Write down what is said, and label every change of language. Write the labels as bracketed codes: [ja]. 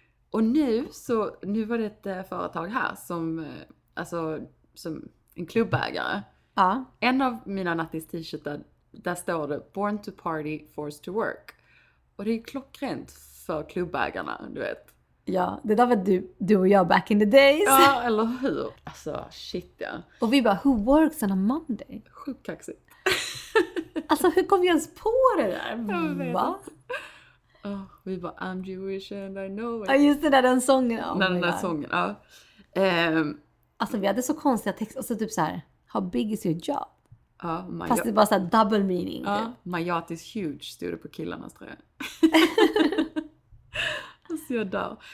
[sv] Och nu var det ett företag här som, alltså, som en klubbägare. Ja. En av mina nattis t-shirtar, där står det [en] Born to Party, Forced to Work. [sv] Och det är ju klockrent för klubbägarna, du vet. Ja, det där var du och jag [en] back in the days. [sv] Ja, eller hur? Alltså, shit ja. Och vi bara, [en] who works on a Monday? [sv] Sjukt kaxigt. Alltså, hur kom vi ens på det där? Va? Oh, vi bara, [en] I'm Jewish and I know it. [sv] Ja, just det där, den sången. Oh, den där sången, ja. Alltså, vi hade så konstiga texter. Och så typ så här. [en] How big is your job? My [sv] fast det är bara så här [en] double meaning. My yacht is huge, [sv] stod det på killarnas tröja. Alltså jag dör.